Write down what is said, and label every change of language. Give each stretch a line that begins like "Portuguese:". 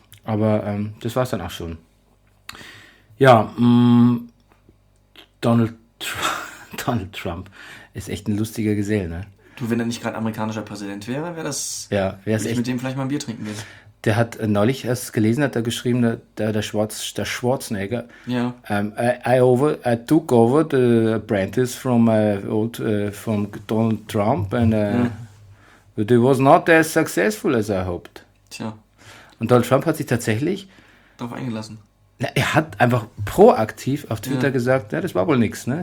German: Aber das war es dann auch schon. Ja, Donald Trump ist echt ein lustiger Gesell, ne? Du, wenn er nicht gerade amerikanischer Präsident wäre, wäre das... Ja, wäre es echt... mit dem vielleicht mal ein Bier trinken gehen. Der hat neulich erst gelesen, hat er geschrieben, der Schwarzenegger. Ja.
English: I took over the apprentice from my old from Donald Trump and but it was not as successful as I hoped.
German: Tja. Und Donald Trump hat sich tatsächlich darauf eingelassen. Na, er hat einfach proaktiv auf Twitter gesagt, ja, das war wohl nichts, ne?